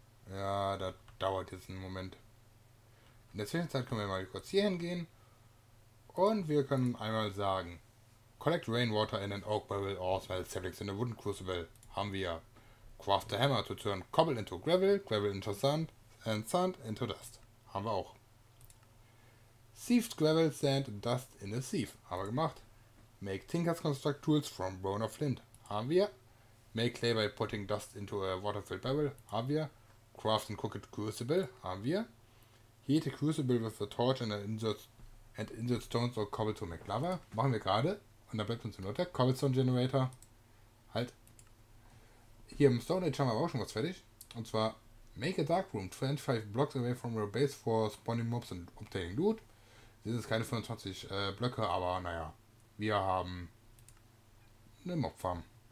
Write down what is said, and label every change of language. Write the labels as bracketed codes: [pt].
[de] Ja, das dauert jetzt einen Moment. In der Zwischenzeit können wir mal kurz hier hingehen und wir können einmal sagen: [en] Collect rainwater in an oak barrel or smelt saplings in a wooden crucible. [de] Haben wir. [en] Craft a hammer to turn cobble into gravel, gravel into sand. And sand into dust. [de] Haben wir auch. [en] Sieved gravel, sand, dust in a sieve. [de] Haben wir gemacht. [en] Make tinkers construct tools from bone of flint. [de] Haben wir. [en] Make clay by putting dust into a water-filled barrel. [de] Haben wir. [en] Craft and cook a crucible. [de] Haben wir. [en] Heat a crucible with a torch and insert stones or cobble to make lava. [de] Machen wir gerade. Und da bleibt uns nur der Cobblestone Generator. Halt. Hier im Stone Age haben wir aber auch schon was fertig. Und zwar: [en] Make a dark room 25 blocks away from your base for spawning mobs and obtaining loot. [de] Das ist keine 25 Blöcke, aber naja, wir haben eine Mobfarm.